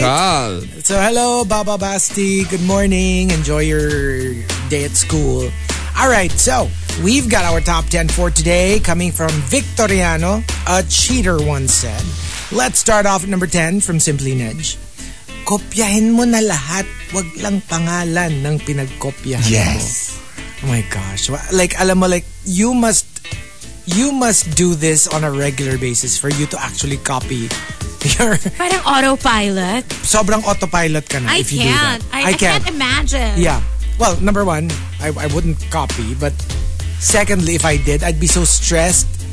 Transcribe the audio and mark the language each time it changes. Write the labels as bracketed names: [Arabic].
[English] Kushal. So hello, Baba Basti. Good morning. Enjoy your day at school. All right, so we've got our top 10 for today coming from Victoriano, a cheater once said. Let's start off at number 10 from Simply Nedge. [Filipino] Kopyahin mo na lahat, wag lang pangalan ng pinagkopyahan [English] yes. mo. Oh my gosh. Like, [Filipino] alam mo, [English] like, you must do this on a regular basis for you to actually copy your... [Filipino] Parang autopilot. Sobrang autopilot ka na [English] I if can't. You do that. I can't imagine. Yeah. Well, number one, I wouldn't copy, but secondly, if I did, I'd be so stressed.